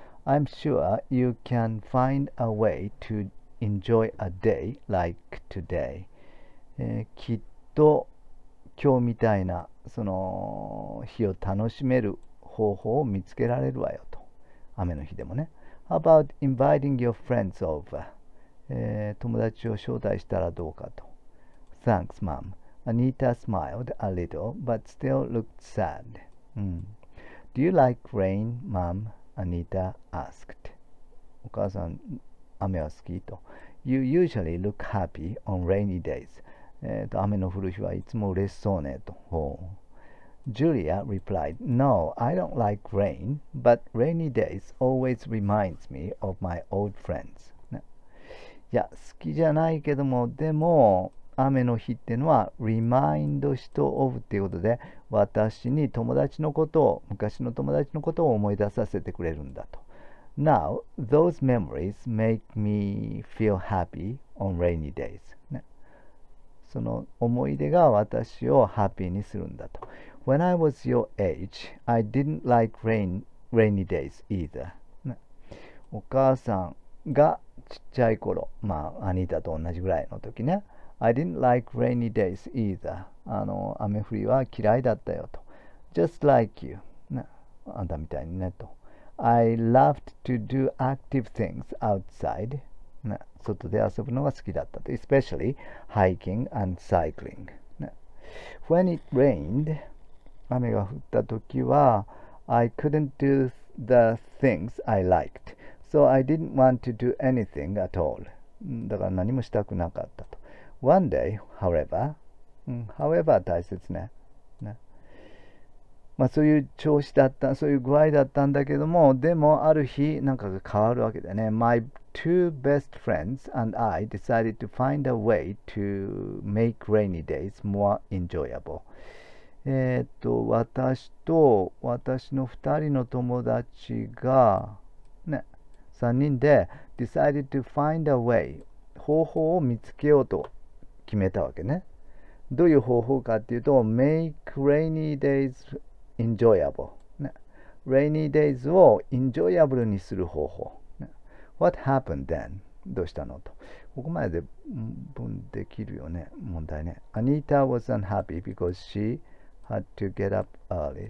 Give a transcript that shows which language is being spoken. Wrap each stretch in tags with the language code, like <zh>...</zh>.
<en>I'm sure you can find a way to enjoy a day like today.</en> <ja>きっと今日みたいなその日を楽しめる方法を見つけられるわよと。雨の日でもね。</ja> <en>How about inviting your friends over?</en> <ja>友達を招待したらどうかと。</ja> <en>Thanks, mom. Anita smiled a little, but still looked sad. Do you like rain, mom? Anita asked.</en> <ja>お母さん、雨は好きと。</ja> <en>You usually look happy on rainy days.</en> <ja>雨の降る日はいつも嬉しそうねと。</ja> <en>Julia replied, No, I don't like rain, but rainy days always reminds me of my old friends.</en> <ja>ね、いや、好きじゃないけども、でも、雨の日ってのは、</ja> <en>remind she of</en> <ja>っていうことで、私に友達のことを、昔の友達のことを思い出させてくれるんだと。</ja> <en>Now, those memories make me feel happy on rainy days.、</en> <ja>ね、その思い出が私をハッピーにするんだと。</ja> <en>When I was your age, I didn't like rainy days either.、</en> <ja>ね、お母さんがちっちゃい頃、まあ、アニータと同じぐらいの時ね。</ja> <en>I didn't like rainy days either.</en> <ja>雨降りは嫌いだったよと。</ja> <en>Just like you.</en> <ja>ね、あんたみたいにねと。</ja> <en>I loved to do active things outside.</en> <ja>ね、外で遊ぶのが好きだったと。</ja> <en>Especially hiking and cycling.、ね、When it rained,</en> <ja>雨が降った時は、</ja> <en>I couldn't do the things I liked. So I didn't want to do anything at all.</en> <ja>だから何もしたくなかったと。</ja> <en>One day, however, however</en> <ja>大切ね。まあそういう調子だった、そういう具合だったんだけども、でもある日なんかが変わるわけだよね。</ja> <en>My two best friends and I decided to find a way to make rainy days more enjoyable.</en> <ja>私と私の2人の友達が、ね、3人で</ja> <en>decided to find a way</en> <ja>方法を見つけようと決めたわけね。どういう方法かっていうと、</ja> <en>Make rainy days enjoyable、</en> <ja>ね。 Rainy days を enjoyable にする方法、ね。</ja> <en>What happened then?</en> <ja>どうしたのと。ここまでで分できるよね。問題ね。</ja> <en>Anita was unhappy because she had to get up early.</en>